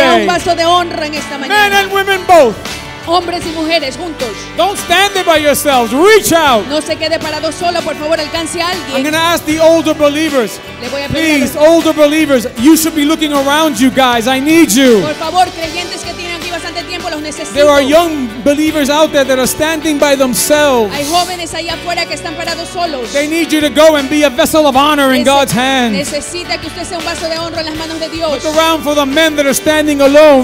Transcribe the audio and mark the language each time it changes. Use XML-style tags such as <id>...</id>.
<es>Sea un vaso de honra en esta mañana.</es> <en>Men and women both.</en> <es>Hombres y mujeres juntos.</es> <en>Don't stand there by yourselves. Reach out.</en> <es>No se quede parado solo, por favor, alcance a alguien.</es> <en>I'm going to ask the older believers.</en> <es>Le voy a pedir</es> <en>please,</en> <es>a los...</es> <en>older believers, you should be looking around you guys. I need you.</en> <es>Por favor, creyentes que tienen aquí bastante tiempo, los necesito.</es> <en>There are young believers out there that are standing by themselves.</en> <es>Hay jóvenes ahí afuera que están parados solos.</es> <en>They need you to go and be a vessel of honor in God's hand.</en> <es>Necesita que usted sea un vaso de honra en las manos de Dios.</es> <en>Look around for the men that are standing alone.</en>